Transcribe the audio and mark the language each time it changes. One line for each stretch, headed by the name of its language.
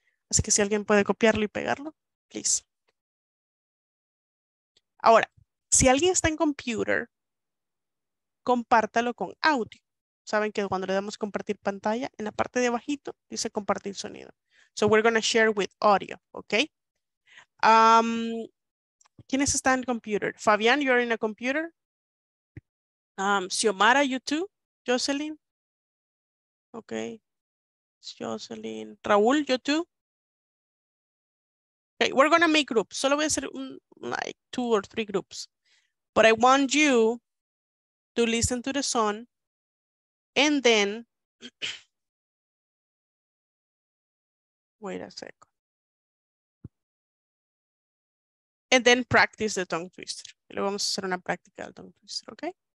Spanish: Así que si alguien puede copiarlo y pegarlo,
English: please.
Spanish: Ahora, si alguien está en computer, compártalo con audio. Saben que cuando le damos compartir pantalla, en la parte de abajito dice compartir sonido.
English: So we're going to share with audio, okay?
Spanish: ¿Quiénes están en el computer? Fabián,
English: you're in a computer. Xiomara, you too. Jocelyn. Okay. Jocelyn. Raúl, you too. Okay, we're going to make groups.
Spanish: Solo voy a hacer
English: like 2 or 3 groups. But I want you to listen to the song, and then, wait a second, and then practice the tongue twister.
Spanish: Y luego vamos a hacer una práctica del tongue twister, okay?